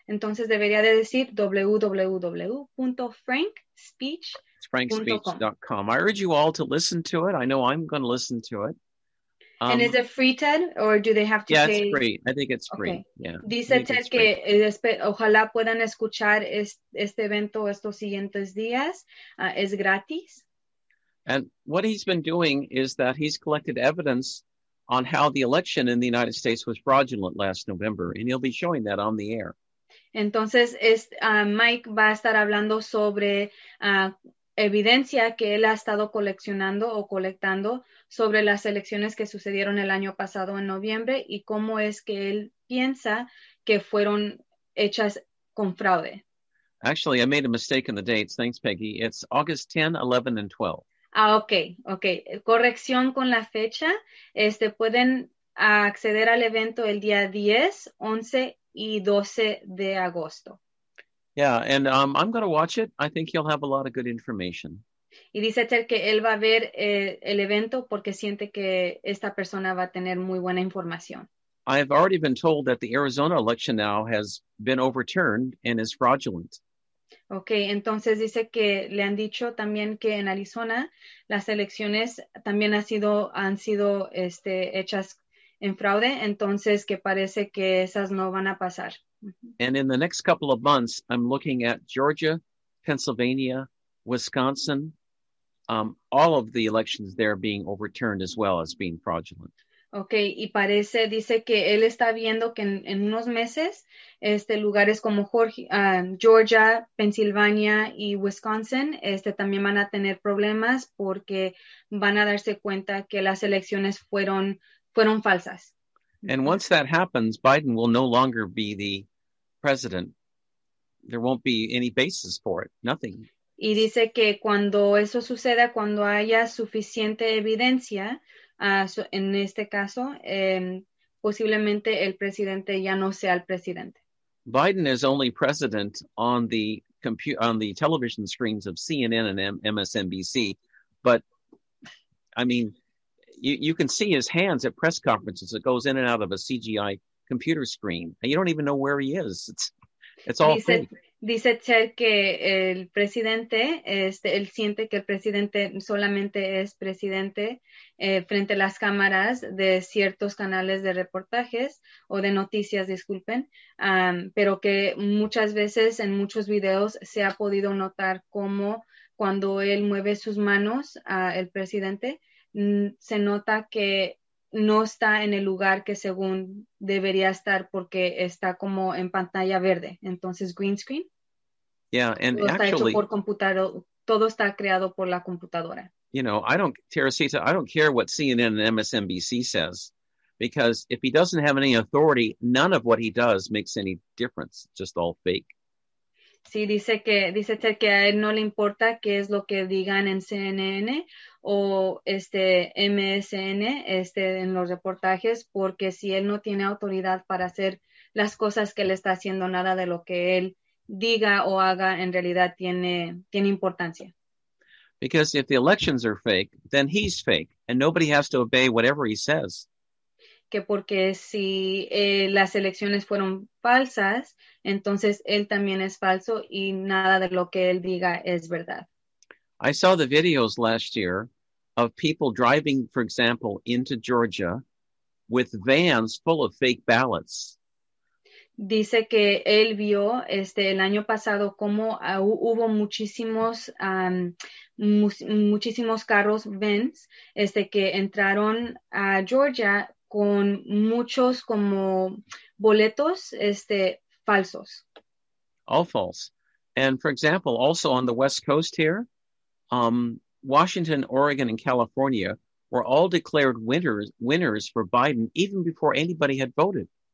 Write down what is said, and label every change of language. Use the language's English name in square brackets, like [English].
[Spanish] Entonces debería de decir www.frankspeech.com. Frankspeech.com. [English] I urge you all to listen to it. I know I'm going to listen to it. And is it free, Ted? Or do they have to It's free. I think it's free. Okay. Yeah. [Spanish] Dice Ted que ojalá puedan escuchar este evento estos siguientes días. Es gratis. [English] And what he's been doing is that he's collected evidence on how the election in the United States was fraudulent last November. And he'll be showing that on the air. [Spanish] Entonces, Mike va a estar hablando sobre evidencia que él ha estado coleccionando o colectando sobre las elecciones que sucedieron el año pasado en noviembre y cómo es que él piensa que fueron hechas con fraude. [English] Actually, I made a mistake in the dates. Thanks, Peggy. It's August 10, 11, and 12. Ah, okay, okay. [Spanish] Corrección con la fecha. Pueden acceder al evento el día 10, 11 y 12 de agosto. [English] Yeah, and I'm going to watch it. I think he'll have a lot of good information. [Spanish] Y dice Ted que él va a ver el evento porque siente que esta persona va a tener muy buena información. [English] I have already been told that the Arizona election now has been overturned and is fraudulent. [Spanish] Okay, entonces dice que le han dicho también que en Arizona las elecciones también han sido hechas en fraude, entonces que parece que esas no van a pasar. [English] And in the next couple of months, I'm looking at Georgia, Pennsylvania, Wisconsin, all of the elections there being overturned as well as being fraudulent. [Spanish] Okay, y parece, dice que él está viendo que en unos meses, lugares como Georgia, Pennsylvania y Wisconsin, también van a tener problemas porque van a darse cuenta que las elecciones fueron falsas. [English] And once that happens, Biden will no longer be the president. There won't be any basis for it. Nothing. [Spanish] Y dice que cuando eso suceda, cuando haya suficiente evidencia, en este caso, posiblemente el presidente ya no sea el presidente. [English] Biden is only president on the television screens of CNN and MSNBC. But, I mean, you can see his hands at press conferences. It goes in and out of a CGI computer screen. And you don't even know where he is. It's all fake. [Spanish] Dice Ted que el presidente, él siente que el presidente solamente es presidente frente a las cámaras de ciertos canales de reportajes o de noticias, disculpen, pero que muchas veces en muchos videos se ha podido notar cómo cuando él mueve sus manos el presidente, se nota que no está en el lugar que según debería estar porque está como en pantalla verde. [English] Entonces, green screen. Yeah, and [Spanish] todo [English] actually, [Spanish] está hecho por computador. Todo está creado por la computadora. [English] You know, I don't, Teresita, I don't care what CNN and MSNBC says. because if he doesn't have any authority, none of what he does makes any difference. It's just all fake. [Spanish] Sí, dice Ted que a él no le importa qué es lo que digan en CNN o MSN en los reportajes, porque si él no tiene autoridad para hacer las cosas que él está haciendo, nada de lo que él diga o haga en realidad tiene importancia. [English] Because if the elections are fake, then he's fake and nobody has to obey whatever he says. [Spanish] Que porque si las elecciones fueron falsas, entonces él también es falso y nada de lo que él diga es verdad. [English] I saw the videos last year of people driving, for example, into Georgia with vans full of fake ballots. [Spanish] Dice que él vio el año pasado cómo hubo muchísimos muchísimos carros vans que entraron a Georgia con muchos como boletos falsos. [English] All false. And for example, also on the West Coast here, Washington, Oregon, and California were all declared winners for Biden even before anybody had voted.